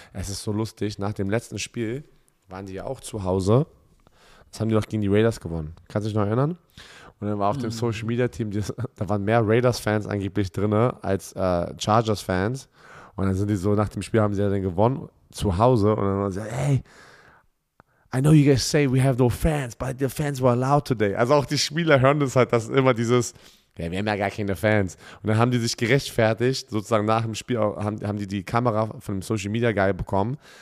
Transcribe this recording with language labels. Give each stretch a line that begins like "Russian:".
German: Es ist so lustig, nach dem letzten Spiel waren die ja auch zu Hause. Das haben die doch gegen die Raiders gewonnen. Kannst du dich noch erinnern? Und dann war auf dem Social Media Team, da waren mehr Raiders-Fans angeblich drin als Chargers-Fans. Und dann sind die so, nach dem Spiel haben sie ja dann gewonnen, zu Hause. Und dann waren sie,
English: hey, I know you guys say we have no fans, but the fans were loud today.
German: Also auch die Spieler hören das halt, dass immer dieses, ja, wir haben ja gar keine Fans. Und dann haben die sich gerechtfertigt, sozusagen nach dem Spiel, haben die Kamera von dem Social Media Guy bekommen.